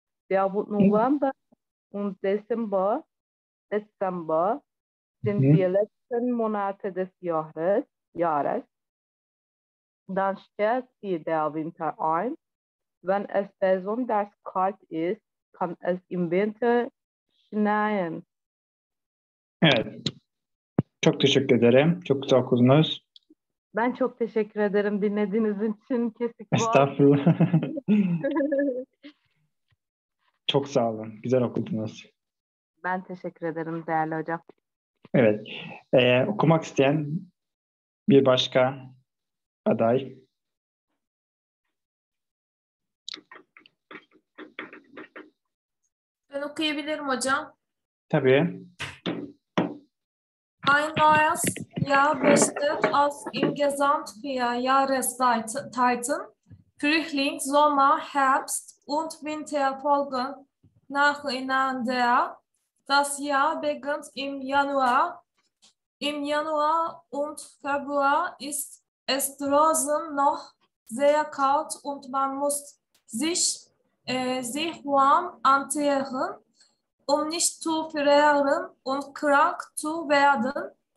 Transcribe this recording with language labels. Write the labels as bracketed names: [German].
[German] Der November und Dezember sind die letzten Monate des Jahres. Dann stellt sich der Winter ein. Wenn es besonders kalt ist, kann es im Winter schneien. [Turkish] Evet. Çok teşekkür ederim. Çok güzel okudunuz. Ben çok teşekkür ederim dinlediğiniz için. Kesik var. Estağfurullah. Çok sağ olun. Güzel okudunuz. Ben teşekkür ederim değerli hocam. Evet. Okumak isteyen bir başka aday. Ben okuyabilirim hocam. Tabii. [German] Ein neues Jahr besteht aus im Gesamtjahr Jahreszeiten. Frühling, Sommer, Herbst und Winter folgen nacheinander. Das Jahr beginnt im Januar. Im Januar und Februar ist es draußen noch sehr kalt und man muss sich warm anziehen, um nicht zu frieren und krank zu werden.